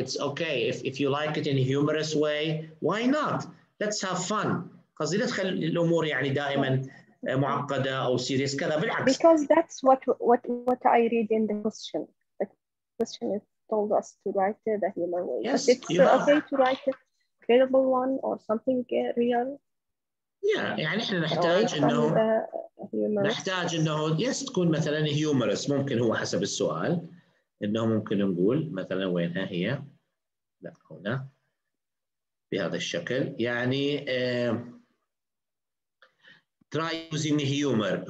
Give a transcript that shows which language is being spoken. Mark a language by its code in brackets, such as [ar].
[en] It's okay if you like it in a humorous way. Why not? Let's have fun. [ar] قصدي لا تخلي الأمور يعني دائما معقدة أو serious كذا، بالعكس. [en] Because that's what I read in the question. The question is told us to write it a humor way. Yes, but it's okay to write it credible one or something real. [ar] يعني احنا نحتاج انه يس تكون مثلا هيومرس، ممكن هو حسب السؤال انه ممكن نقول مثلا وينها هي، لا هنا بهذا الشكل، يعني [en] try using humor.